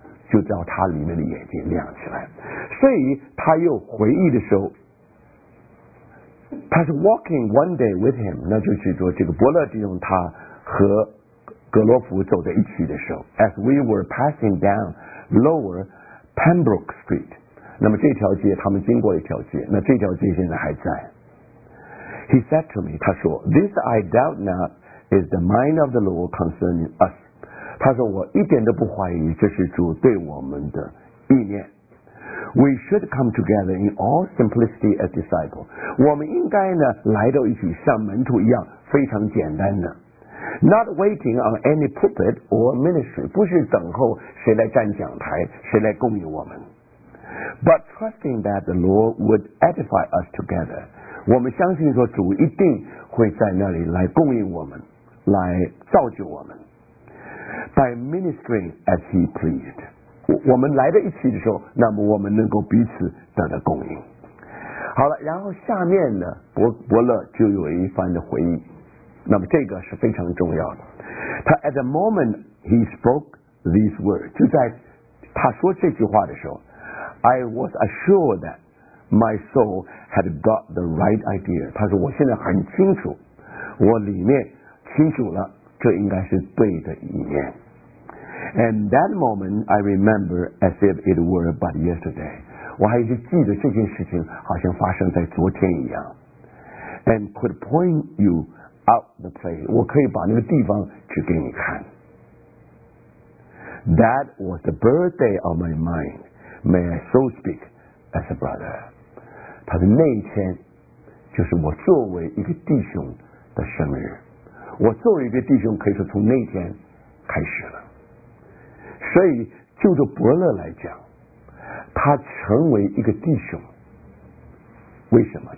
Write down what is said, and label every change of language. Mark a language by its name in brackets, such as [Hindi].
[Chinese] 就叫他里面的眼睛亮起来。所以他又回忆的时候，他是 [English] walking one day with him， [Chinese] 那就是说这个伯勒弟兄他和格罗夫走在一起的时候， [English] as we were passing down lower Pembroke Street， [Chinese] 那么这条街他们经过一条街，那这条街现在还在。 [English] He said to me， [Chinese] 他说 [English] This I doubt not is the mind of the Lord concerning us， [Chinese] 他说我一点都不怀疑这是主对我们的意念。 [English] We should come together in all simplicity as disciples. [Chinese] 我们应该呢来到一起像门徒一样非常简单的。 [English] Not waiting on any pulpit or ministry. [Chinese] 不是等候谁来站讲台谁来供应我们。 [English] But trusting that the Lord would edify us together. [Chinese] 我们相信说主一定会在那里来供应我们来造就我们。 [English] By ministering as he pleased. [Chinese] 我们来到一起的时候，那么我们能够彼此得到供应。好了，然后下面呢，伯勒就有一番的回忆，那么这个是非常重要的。他 [English] at the moment he spoke these words， [Chinese] 就在他说这句话的时候， [English] I was assured that my soul had got the right idea， [Chinese] 他说我现在很清楚，我里面清楚了，这应该是对的意念。 [English] And that moment I remember as if it were but yesterday. [Chinese] 我还是记得这件事情好像发生在昨天一样。 [English] And could point you out the place. [Chinese] 我可以把那个地方指给你看。 [English] That was the birthday of my mind. May I so speak as a brother. [Chinese] 他的那一天就是我作为一个弟兄的生日。我作为一个弟兄可以说从那天开始了。所以就着伯勒来讲，他成为一个弟兄，为什么？